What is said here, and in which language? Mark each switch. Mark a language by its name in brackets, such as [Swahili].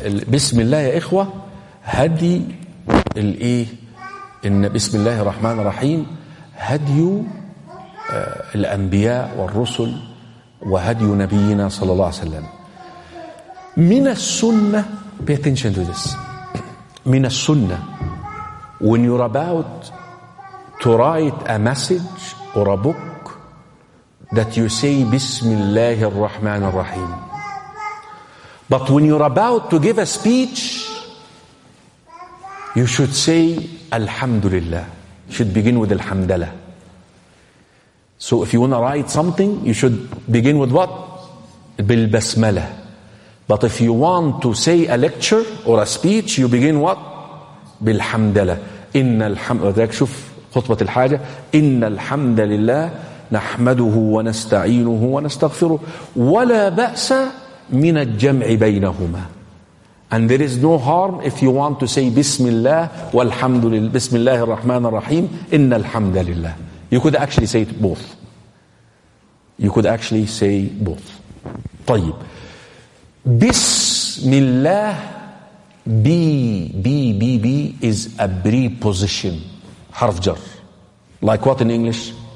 [Arabic] بسم الله يا إخوة هدي الإيه إن بسم الله الرحمن الرحيم هدي الأنبياء والرسل وهدي نبينا صلى الله عليه وسلم من السنة. [English] Pay attention to this. [Arabic] من السنة [English] when you're about to write a message or a book that you say [Arabic] بسم الله الرحمن الرحيم. [English] But when you're about to give a speech, you should say Alhamdulillah. You should begin with Alhamdulillah. So if you want to write something, you should begin with what? Bil Basmala. But if you want to say a lecture or a speech, you begin what? [Arabic] Bilhamdulillah. Inna alhamdulillah. شوف خطبة الحاجة. Inna alhamdulillah. Nahmaduhu wa nasta'inuhu wa nastaghfiruh. Wala ba'sa من الجمع بينهما. [English] And there is no harm if you want to say [Arabic] بسم الله والحمد لله. بسم الله الرحمن الرحيم إن الحمد لله. [English] You could actually say it both. You could actually say both. [Arabic] طيب بسم الله [English] B is a preposition. [Arabic] حرف جر. [English] Like what in English?